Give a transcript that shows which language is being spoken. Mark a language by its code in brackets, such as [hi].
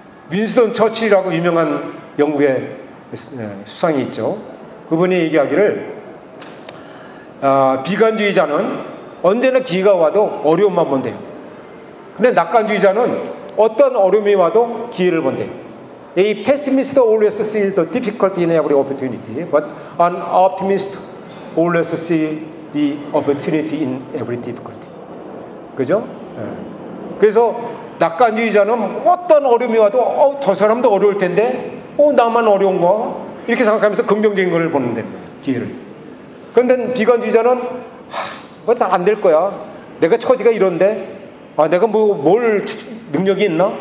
[ko] 윈스턴 처칠이라고 유명한 영국의 수상이 있죠. 그분이 얘기하기를, 비관주의자는 언제나 기회가 와도 어려움만 본대요. 근데 낙관주의자는 어떤 어려움이 와도 기회를 본대요. [en] A pessimist always sees the difficulty in every opportunity, but an optimist always sees the opportunity in every difficulty. [ko] 그죠? 네. 그래서 낙관주의자는 어떤 어려움이 와도 저 사람도 어려울 텐데 나만 어려운 거, 이렇게 생각하면서 긍정적인 걸 보는 데 기회를. 그런데 비관주의자는 이거 다 안 될 거야, 내가 처지가 이런데 내가 뭐 뭘 능력이 있나?